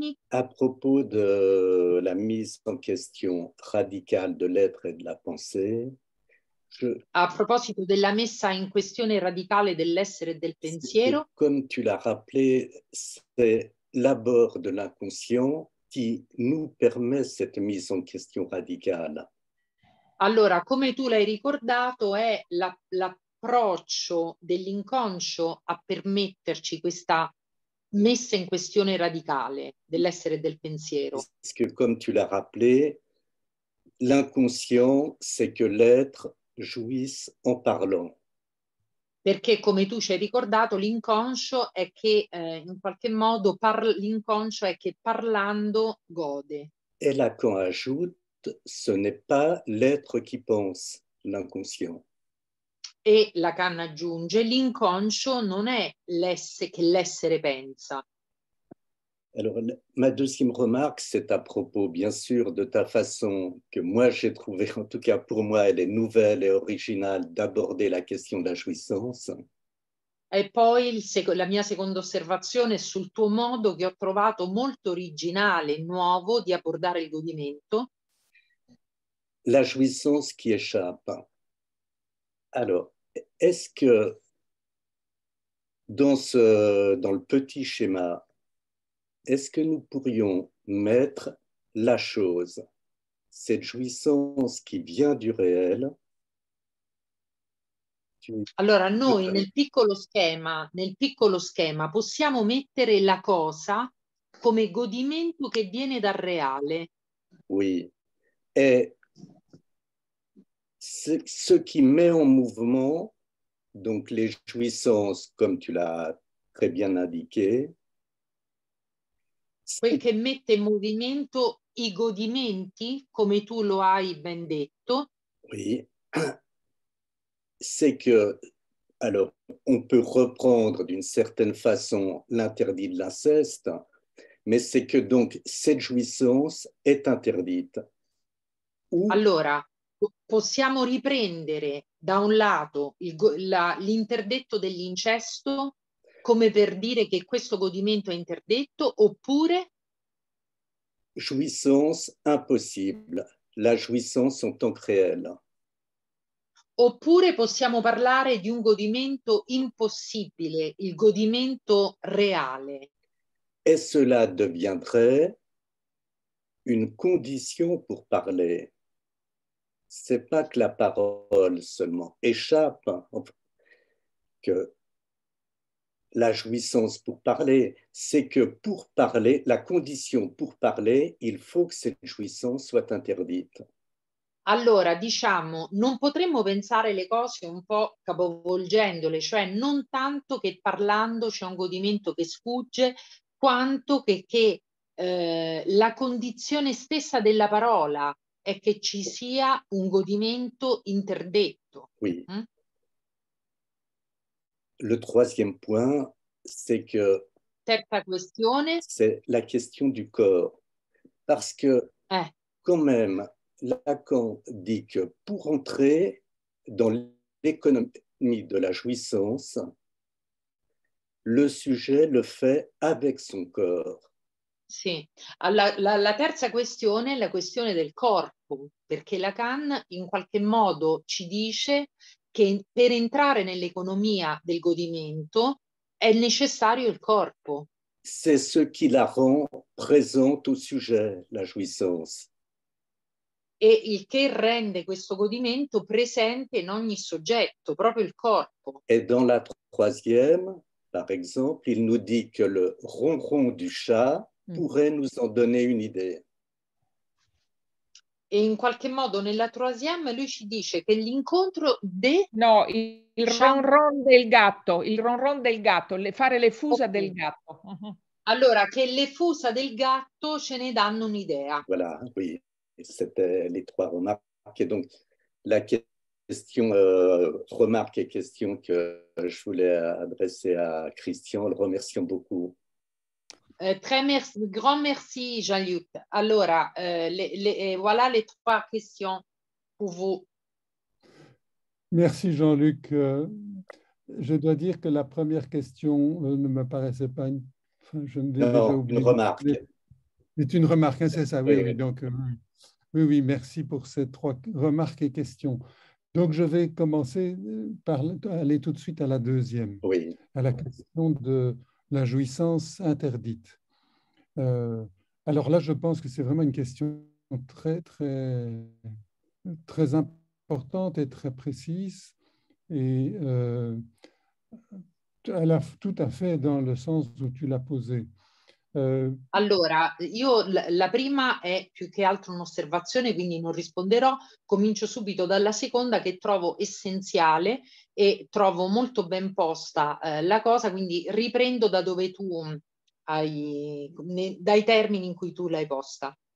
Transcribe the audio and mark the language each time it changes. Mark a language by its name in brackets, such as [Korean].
[French] À propos de la mise en question radicale de l'être et de la pensée. [Italian] A proposito della messa in questione radicale dell'essere e del pensiero. [French] Come tu l'as rappelé, c'est l'abord de l'inconscient qui nous permet cette mise en question radicale. [Italian] Allora, come tu l'hai ricordato, è l'approccio dell'inconscio a permetterci questa messa in questione radicale dell'essere e del pensiero. [French] Parce que, comme tu l'as rappelé, l'inconscient, c'est que l'être jouisse en parlant. [Italian] Perché come tu ci hai ricordato, l'inconscio è che in qualche modo l'inconscio è che parlando gode. [French] E Lacan ajoute, ce n'est pas l'être qui pense, l'inconscient. [Italian] E Lacan aggiunge, l'inconscio non è l'essere che l'essere pensa. [French] Alors, ma deuxième remarque, c'est à propos, bien sûr, de ta façon que moi j'ai trouvé, en tout cas pour moi, elle est nouvelle et originale d'aborder la question de la jouissance. Et puis, [Italian] la mia seconda osservazione sul tuo modo che ho trovato molto originale e nuovo di abordare il godimento. [French] La jouissance qui échappe. Alors, est-ce que dans le petit schéma, est-ce que nous pourrions mettre la chose, cette jouissance qui vient du réel? [Italian] Allora, noi nel piccolo schema, possiamo mettere la cosa come godimento che viene dal reale? [French] Oui. Et ce qui met en mouvement, donc les jouissances, comme tu l'as très bien indiqué, [Italian] quel che mette in movimento i godimenti, come tu lo hai ben detto. [French] Oui. C'est que, alors, on peut reprendre d'une certaine façon l'interdit de l'inceste, mais c'est que donc cette jouissance est interdite. Ou... [Italian] Allora, possiamo riprendere da un lato l'interdetto dell'incesto, come per dire che questo godimento è interdetto, oppure? [French] Jouissance impossible, la jouissance en tant que réelle. [Italian] Oppure possiamo parlare di un godimento impossibile, il godimento reale. [French] E cela deviendrait une condition pour parler. C'est pas que la parole seulement échappe, que la jouissance pour parler, c'est que pour parler, la condition pour parler, il faut que cette jouissance soit interdite. [Italian] Allora, diciamo, non potremmo pensare le cose un po' capovolgendole, cioè non tanto che parlando c'è un godimento che sfugge, quanto che la condizione stessa della parola è che ci sia un godimento interdetto. [French] Oui. Mm? Le troisième point, c'est que... [Italian] Terza questione. [French] C'est la question du corps. Parce que, quand même... Lacan dit que pour entrer dans l'économie de la jouissance, le sujet le fait avec son corps. [Italian] Sì, la terza questione è la questione del corpo, perché Lacan in qualche modo ci dice che per entrare nell'economia del godimento è necessario il corpo. [French] C'est ce qui la rend présente au sujet, la jouissance. [Italian] E il che rende questo godimento presente in ogni soggetto, proprio il corpo. [French] Et dans la troisième, par exemple, il nous dit que le ronron du chat pourrait nous en donner une idée. [Italian] E in qualche modo nella troisième lui ci dice che l'incontro de... No, il ronron del gatto, il ronron del gatto, fare le fusa okay. del gatto. Allora, che le fusa del gatto ce ne danno un'idea. [French] Voilà, oui. C'était les trois remarques. Et donc, la question, remarque et question que je voulais adresser à Christian, le remerciant beaucoup. Grand merci, Jean-Luc. Alors, voilà les trois questions pour vous. Merci, Jean-Luc. Je dois dire que la première question ne me paraissait pas une. Enfin, je ne l'ai non, déjà oublié. Une remarque. C'est une remarque, hein, c'est ça, oui. Oui, donc. Oui, oui, merci pour ces trois remarques et questions. Donc, je vais commencer par aller tout de suite à la deuxième, oui. à la question de la jouissance interdite. Alors là, je pense que c'est vraiment une question très, très, très importante et très précise et tout à fait dans le sens où tu l'as posée. [Italian] Allora, io la prima è più che altro un'osservazione, quindi non risponderò. Comincio subito dalla seconda che trovo essenziale e trovo molto ben posta la cosa, quindi riprendo da dove tu hai, dai termini in cui tu l'hai posta.